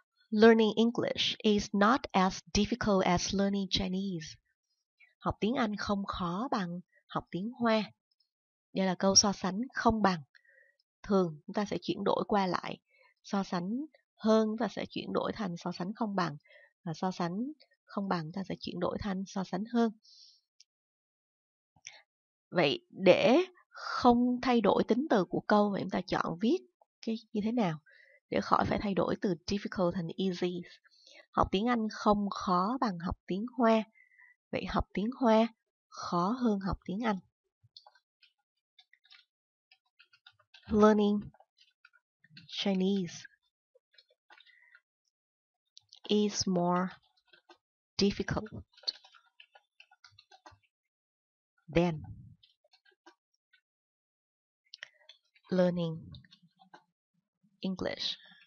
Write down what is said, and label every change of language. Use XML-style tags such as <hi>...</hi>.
<en>Learning English is not as difficult as learning Chinese.</en> <vi>Học tiếng Anh không khó bằng học tiếng Hoa. Đây là câu so sánh không bằng. Thường chúng ta sẽ chuyển đổi qua lại. So sánh hơn và sẽ chuyển đổi thành so sánh không bằng. Và so sánh không bằng ta sẽ chuyển đổi thành so sánh hơn. Vậy để không thay đổi tính từ của câu, vậy chúng ta chọn viết cái như thế nào? Để khỏi phải thay đổi từ difficult thành easy. Học tiếng Anh không khó bằng học tiếng Hoa. Vậy học tiếng Hoa khó hơn học tiếng Anh.</vi> <en>Learning Chinese is more difficult than learning English.</en>